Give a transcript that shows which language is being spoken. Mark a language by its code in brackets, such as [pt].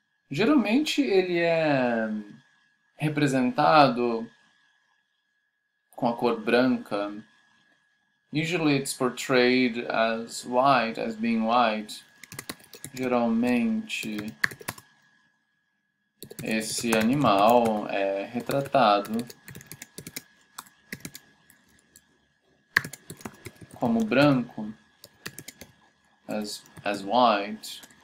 [pt] Geralmente ele é representado com a cor branca. [en] Usually it's portrayed as white, as being white. [pt] Geralmente. Esse animal é retratado como branco, [en] as white.